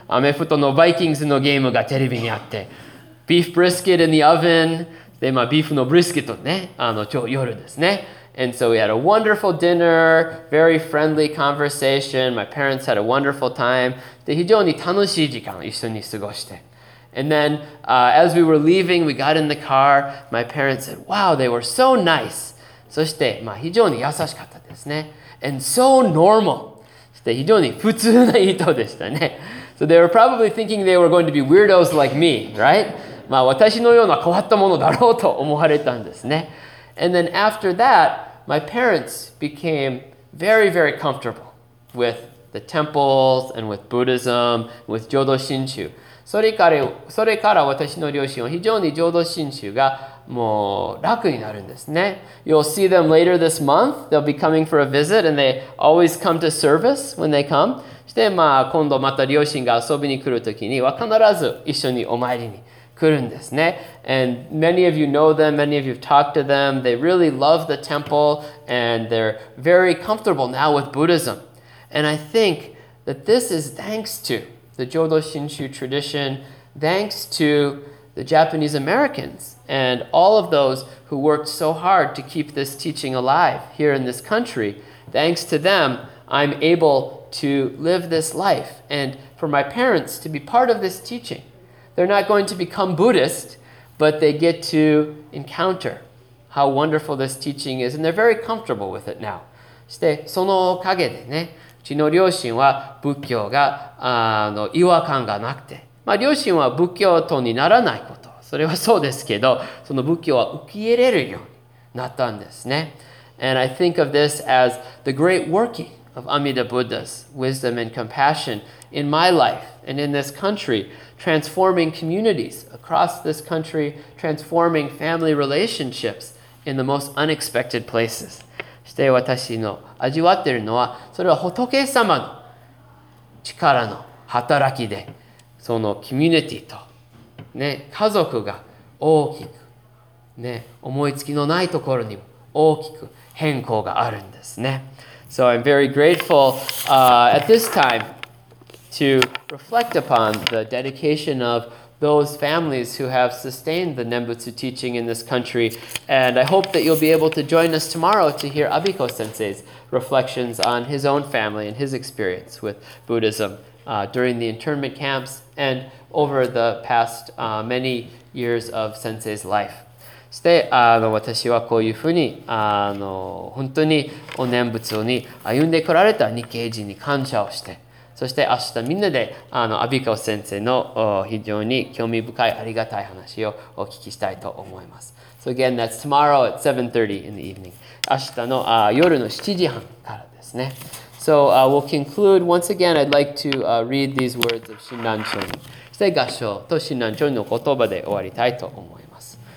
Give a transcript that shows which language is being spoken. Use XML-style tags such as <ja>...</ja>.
<ja>アメフトのバイキングスのゲームがテレビにあって。</ja> <en>Beef brisket in the oven.</en> <ja>で、まあ、ビーフのブリスケットね。あの、今日夜ですね。</ja> <en>And so we had a wonderful dinner, very friendly conversation. My parents had a wonderful time.</en> <ja>で、非常に楽しい時間を一緒に過ごして。</ja> <en>And then, as we were leaving, we got in the car. My parents said, wow, they were so nice.</en> <ja>そして、まあ、非常に優しかったですね。</ja> <en>And so normal.</en> <ja>で、非常に普通な人でしたね。</ja> <en>So they were probably thinking they were going to be weirdos like me, right?</en> <ja>まあ私のような変わったものだろうと思われたんですね。</ja> <en>And then after that, my parents became very, very comfortable with the temples and with Buddhism, with Jodo Shinshu.</en> <ja>それから私の両親は非常に浄土真宗がもう楽になるんですね。</ja> <en>You'll see them later this month. They'll be coming for a visit and they always come to service when they come.</en> <ja>そしてまあ今度また両親が遊びに来るときには必ず一緒にお参りに来るんですね。</ja> <en>And many of you know them, many of you have talked to them. They really love the temple and they're very comfortable now with Buddhism. And I think that this is thanks to the Jodo Shinshu tradition, thanks to the Japanese Americans and all of those who worked so hard to keep this teaching alive here in this country. Thanks to them, I'm able to live this life and for my parents to be part of this teaching. They're not going to become Buddhist, but they get to encounter how wonderful this teaching is, and they're very comfortable with it now.</en> <ja>そして、そのおかげでね、うちの両親は仏教が、違和感がなくて。まあ、両親は仏教徒にならないこと。それはそうですけど、その仏教は受け入れるようになったんですね。</ja> <en>And I think of this as the great working of Amida Buddha's wisdom and compassion in my life and in this country, transforming communities across this country, transforming family relationships in the most unexpected places.</en> <ja>して私の味わっているのは、それは仏様の力の働きで、そのコミュニティと、ね、家族が大きく、ね、思いつきのないところにも大きく変更があるんですね。</ja> <en>So I'm very grateful, at this time to reflect upon the dedication of those families who have sustained the Nembutsu teaching in this country. And I hope that you'll be able to join us tomorrow to hear Abiko Sensei's reflections on his own family and his experience with Buddhism during the internment camps and over the past many years of Sensei's life.</en> <ja>そして、私はこういうふうに、本当にお念仏に歩んでこられた日系人に感謝をして、そして明日みんなで阿比古先生の非常に興味深いありがたい話をお聞きしたいと思います。</ja> <en>So again, that's tomorrow at 7:30 in the evening.</en> <ja>明日の夜の7時半からですね。</ja> <en>So we'll conclude. Once again, I'd like to read these words of 親鸞聖人。</en> <ja>そして合掌と親鸞聖人の言葉で終わりたいと思います。</ja>